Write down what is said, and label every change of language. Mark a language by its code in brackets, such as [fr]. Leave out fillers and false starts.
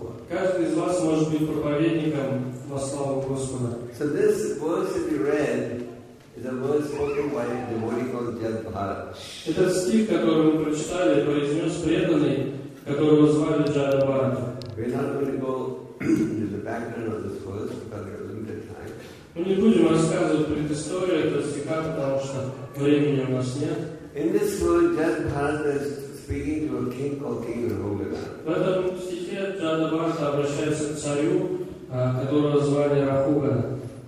[ru] Каждый из вас может быть проповедником во славу Господа. [en] So this verse that we read is a verse spoken by a devotee called Jad Bharat. [ru] Этот стих, который мы прочитали, произнес преданный, которого звали Джада Бхарат. [en] We're not going to go into the background of this verse because we have limited time. [ru] Мы не будем рассказывать предысторию этого стиха, потому что времени у нас нет. [en] In this verse, Jad Bharat is speaking to a king called King Rahulana. [ru] В этом стихе Джада Бхарат обращается к царю, которого звали Рахуга.